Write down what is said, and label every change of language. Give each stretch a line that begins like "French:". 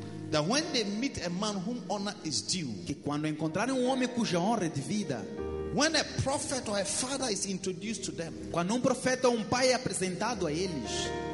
English: That when they meet a man whom honor is due,
Portuguese: que quando encontrarem homem cuja honra é devida,
English: when a prophet or a father is introduced to them,
Portuguese: quando profeta ou pai é apresentado a eles,